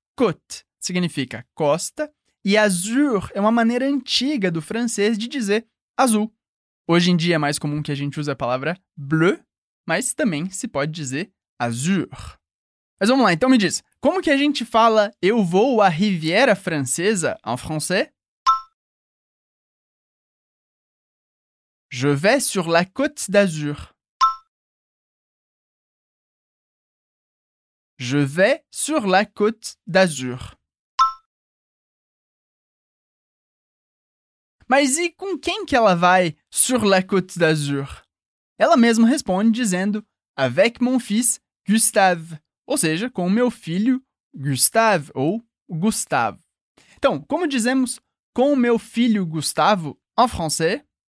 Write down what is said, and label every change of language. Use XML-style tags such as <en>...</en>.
<pt>Côte significa costa e azur é uma maneira antiga do francês de dizer azul. Hoje em dia é mais comum que a gente use a palavra bleu, mas também se pode dizer azur. Mas vamos lá, então me diz, como que a gente fala eu vou à Riviera Francesa</pt> <fr>en français? Je vais sur la Côte d'Azur. Je vais sur la Côte d'Azur.</fr> <pt>Mas e com quem que ela vai</pt> <fr>sur la Côte d'Azur?</fr> <pt>Ela mesma responde dizendo</pt> <fr>avec mon fils Gustave,</fr> <pt>ou seja, com meu filho Gustave ou Gustavo. Então, como dizemos com meu filho Gustavo em francês?</pt>